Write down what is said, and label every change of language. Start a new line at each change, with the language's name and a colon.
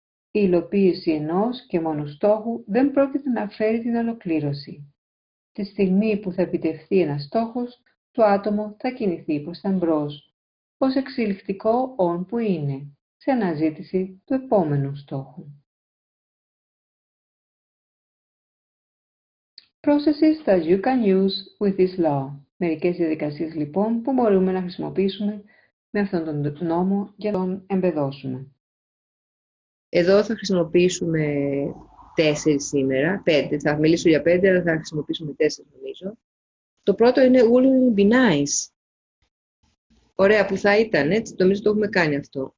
Greek: Η υλοποίηση ενός και μόνο στόχου δεν πρόκειται να φέρει την ολοκλήρωση. Τη στιγμή που θα επιτευχθεί ένας στόχος, το άτομο θα κινηθεί προς τα μπρος, ως εξελιχτικό όν που είναι, σε αναζήτηση του επόμενου στόχου.
English: Processes that you can use with this law.
Greek: Μερικές διαδικασίες λοιπόν που μπορούμε να χρησιμοποιήσουμε με αυτόν τον νόμο για να τον εμπεδώσουμε. Εδώ θα χρησιμοποιήσουμε 4 σήμερα, 5, θα μιλήσω για 5, αλλά θα χρησιμοποιήσουμε 4 νομίζω. Το πρώτο είναι
English: Wouldn't it be nice.
Greek: Ωραία που θα ήταν, έτσι, νομίζω το έχουμε κάνει αυτό.